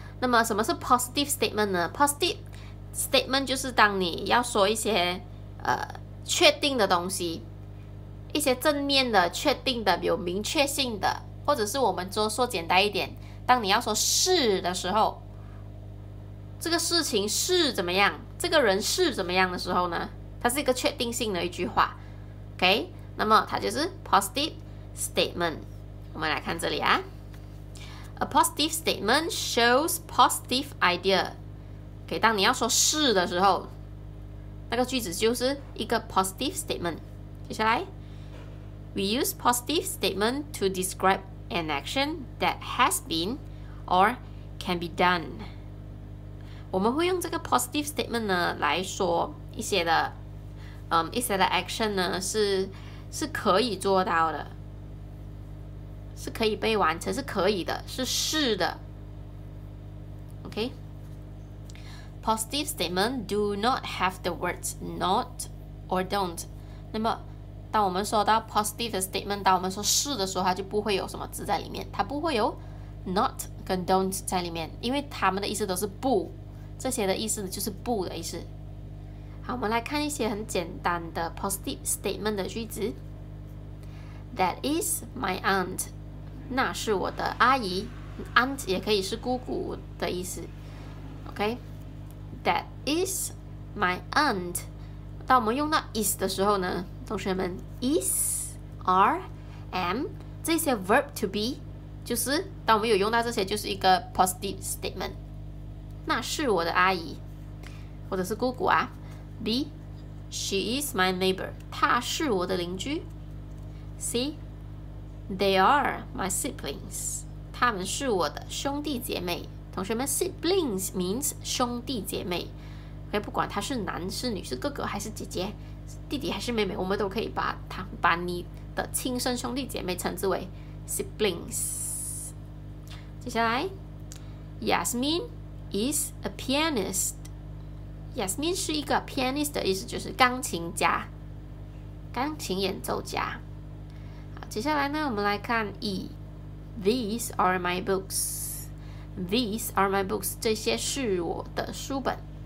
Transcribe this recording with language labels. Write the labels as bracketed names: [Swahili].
[Chinese] 那么什么是 positive statement 呢？Positive statement 就是当你要说一些确定的东西，一些正面的、确定的、有明确性的，或者是我们说简单一点，当你要说是的时候，这个事情是怎么样，这个人是怎么样的时候呢，它是一个确定性的一句话， OK， 那么它就是 positive statement。我们来看这里啊， [English] A positive statement shows positive idea， [Chinese] OK， 当你要说是的时候，那个句子就是一个 positive statement。接下来， [English] We use positive statement to describe an action that has been or can be done。 [Chinese] 我们会用这个 positive statement 呢来说一些的一些的 action 呢是可以做到的，是可以被完成，是可以的，是的。 [English] OK， positive statement do not have the words not or don't。 [Chinese] 那么当我们说到 positive statement， 当我们说是的时候，它就不会有什么字在里面，它不会有 not 跟 don't 在里面，因为它们的意思都是不，这些的意思就是不的意思。好，我们来看一些很简单的 positive statement 的句子。 [English] That is my aunt， [Chinese] 那是我的阿姨。 Aunt 也可以是姑姑的意思， OK。 [English] That is my aunt， [Chinese] 当我们用到 is 的时候呢，同学们， is are am 这些 verb to be， 就是当我们有用到这些，就是一个 positive statement。那是我的阿姨，或者是姑姑啊。 [English] B, she is my neighbor, [Chinese] 她是我的邻居。 [English] C, they are my siblings, [Chinese] 他们是我的兄弟姐妹。同学们， siblings means 兄弟姐妹， okay， 不管他是男是女，是哥哥还是姐姐，弟弟还是妹妹，我们都可以把你的亲生兄弟姐妹称之为 siblings。 [English] 接下来， YasminIs a pianist. [Chinese] Yasmin 是一个 pianist 的意思，就是钢琴家，钢琴演奏家。好，接下来呢，我们来看 E. [English] These are my books. These are my books. [Chinese] 这些是我的书本。